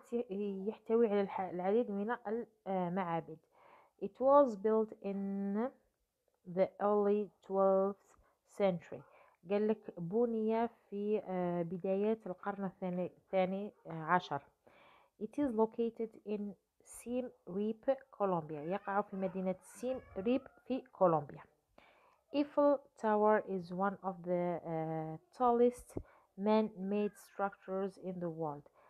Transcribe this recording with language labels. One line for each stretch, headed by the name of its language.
Arabic: يحتوي على العديد من المعابد.
English: It was built in the early 12th century.
Arabic: قال لك بني في بدايات القرن الثاني عشر.
English: It is located in Siem Reap, Colombia.
Arabic: يقع في مدينة سيم ريب في كولومبيا.
English: Eiffel Tower is one of the tallest man-made structures in the world.